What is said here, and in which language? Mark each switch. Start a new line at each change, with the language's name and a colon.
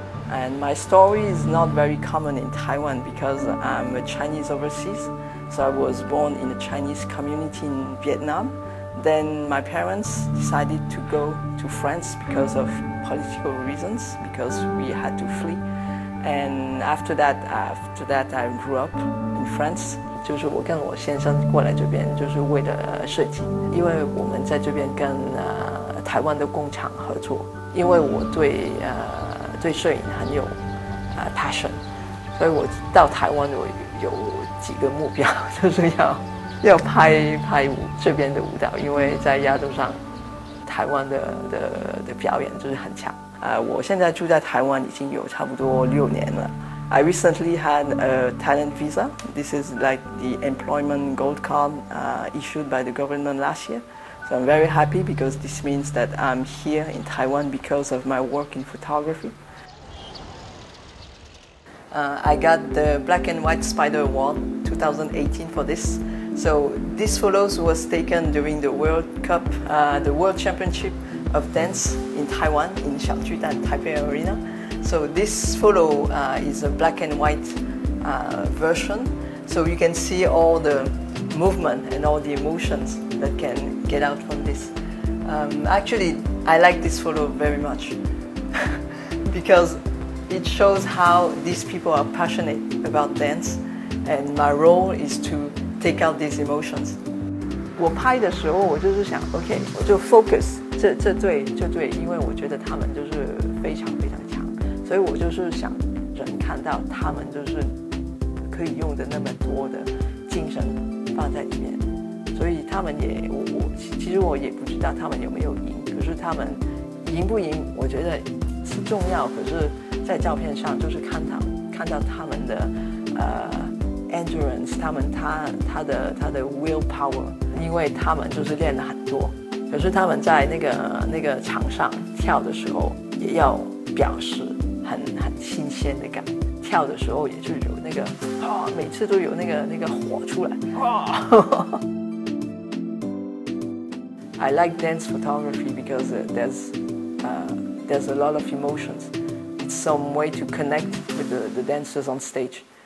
English: And my story is not very common in Taiwan because I'm a Chinese overseas. So I was born in a Chinese community in Vietnam. Then my parents decided to go to France because of political reasons, because we had to flee. And after that, I grew up in France.
Chinese: 就是我跟我先生过来这边，就是为了设计，因为我们在这边跟台湾的工厂合作，因为我对 对摄影很有passion， 所以我到台湾我有几个目标，就是要拍这边的舞蹈，因为在亚洲上台湾的表演就是很强。我现在住在台湾已经有差不多6年了。
English: I recently had a talent visa. This is like the employment gold card issued by the government last year. So I'm very happy because this means that I'm here in Taiwan because of my work in photography. I got the Black and White Spider Award 2018 for this. So this photo was taken during the World Cup, the World Championship of Dance in Taiwan, in Xiaojudan Taipei Arena. So this photo is a black and white version. So you can see all the movement and all the emotions that can get out from this. Actually, I like this photo very much because it shows how these people are passionate about dance, and my role is to take out these emotions.
Chinese: 我拍的时候，我就是想 ，OK， 我就 focus 这对，因为我觉得他们就是非常非常强，所以我就是想人看到他们就是可以用的那么多的精神放在里面，所以他们也我其实我也不知道他们有没有赢，可是他们赢不赢，我觉得是重要，可是 在照片上就是看到他们的 endurance， 他们他的 willpower， 因为他们就是练了很多，可是他们在那个场上跳的时候，也要表示很新鲜的感，跳的时候也就有那个啊，每次都有那个火出来。
English: I like dance photography because there's a lot of emotions. Some way to connect with the dancers on stage.